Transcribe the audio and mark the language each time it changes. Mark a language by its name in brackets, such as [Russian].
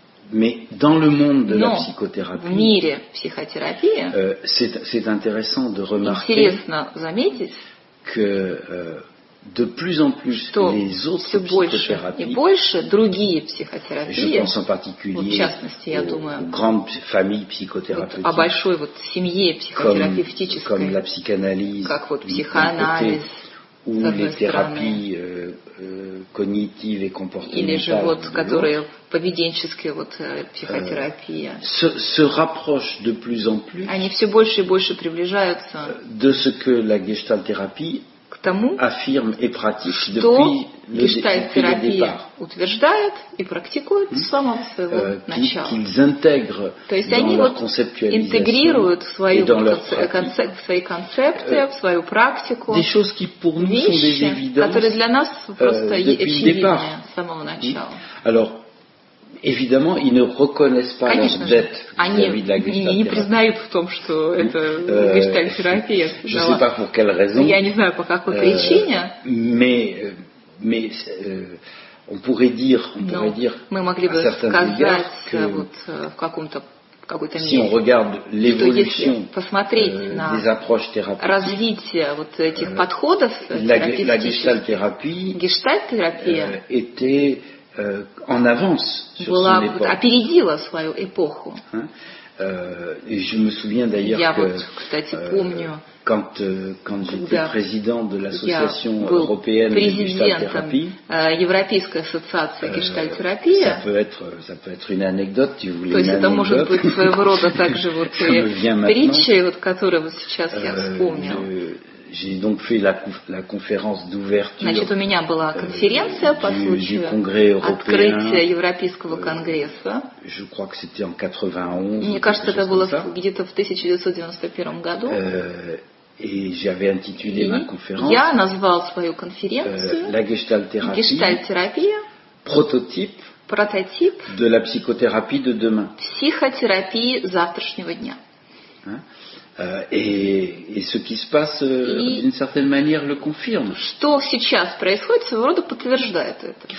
[French] Mais dans le monde de la psychothérapie, [Russian] в мире психотерапии, [French] c'est intéressant de remarquer [Russian] интересно заметить, [French] que de plus en plus les autres psychothérapies, et [Russian] больше другие психотерапии, [French] je pense en particulier [Russian] вот, в частности, я думаю, [French] aux grandes familles psychothérapeutiques, [Russian] вот, о большой вот семье психотерапевтической, [French] comme la psychanalyse, [Russian] как вот психоанализ, [French] ou les thérapies cognitives et comportementales, [Russian] или же вот которые поведенческие вот психотерапии, [French] se rapprochent de plus en plus, [Russian] они все больше и больше приближаются, [French] de ce que la gestalt-thérapie [Russian] к тому, [French] affirme et pratique [Russian] что [French] depuis [Russian] гештальт-терапия [French] depuis le [Russian] утверждает и практикует с самого своего начала. [French] Qu'ils intègrent [Russian] то есть они [French] dans [Russian] вот [French] leur conceptualisation [Russian] интегрируют в свою [French] dans leur pratique, [Russian] в свои концепты, в свою практику [French] des choses qui pour nous [Russian] вещи, [French] sont des evidences, [Russian] которые для нас просто очевидны с самого начала. [French] Alors, évidemment, ils ne reconnaissent pas [Russian] конечно [French] leur dette vis-à-vis de la gestalt-thérapie. [Russian] Они не признают в том, что это гештальт-терапия. [French] Je ne sais pas pour quelle raison. [Russian] Я не знаю по какой причине. [French] Mais on pourrait dire [Russian] мы могли бы сказать [French] que, [Russian] вот в каком-то какой-то [French] si on regarde l'évolution des approches thérapeutiques, [Russian] развитие вот этих подходов терапевтических, гештальт-терапия [French] était en avance sur [Russian] была, [French] son époque. [Russian] Опередила свою эпоху. [French] Et je me souviens d'ailleurs [Russian] я [French] que [Russian] вот, кстати, помню, [French] quand j'étais président de l'association européenne de gestalt-thérapie, [Russian] Европейской ассоциации гештальт-терапии, [French] ça peut être une anecdote, si vous voulez. [Russian] То есть это может быть своего рода также вот притчей, вот, которую вот сейчас я вспомнил. [French] J'ai donc fait la conférence d'ouverture. [Russian] Значит, у меня была конференция по случаю открытия Европейского конгресса. [French] Je crois que c'était en 91. [Russian] Мне кажется, это было где-то в 1991 году. [French] Et j'avais intitulé ma conférence. [Russian] Я назвал свою конференцию. [French] La gestalt-thérapie. [Russian] Гештальт-терапия. Прототип. [French] De la psychothérapie de demain. [Russian] Психотерапии завтрашнего дня. [French] Et ce qui se passe, d'une certaine manière, le confirme. [Russian] Что сейчас происходит, своего рода подтверждает это.